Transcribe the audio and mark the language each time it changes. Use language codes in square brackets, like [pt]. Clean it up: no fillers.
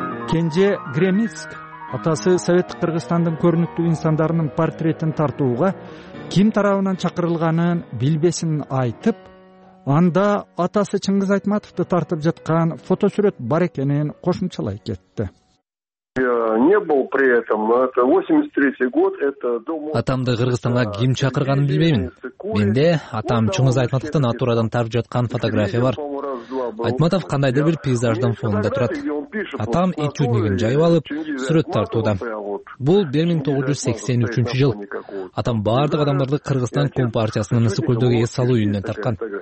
[ky] Кенже Гремицк атасы Советтик Кыргызстандын көрүнүктүү инсандарынын портретин тартууга ким тарабынан чакырылганын билбесин айтып, анда атасы Чыңгыз Айтматовду тартып жаткан фотосүрөт бар экенин кошумчалай кетти. [ru] Не был при этом, но это 83-й год, это дому. [ky] Атамды Кыргызстанга ким чакырганын билбеймин. Менде атам Чыңгыз Айтматовдун натурадан тартып жаткан фотография бар. Айтматов кандайдыр бир пейзаждын фонунда турат. Атам ит жүрнөгүн жайып алып, сүрөт тартууда. Бул 1983 жыл. Атам бардык адамдарды Кыргызстан Компартиясынын ысык көлдөгү эс алуу үйүнөн тарткан.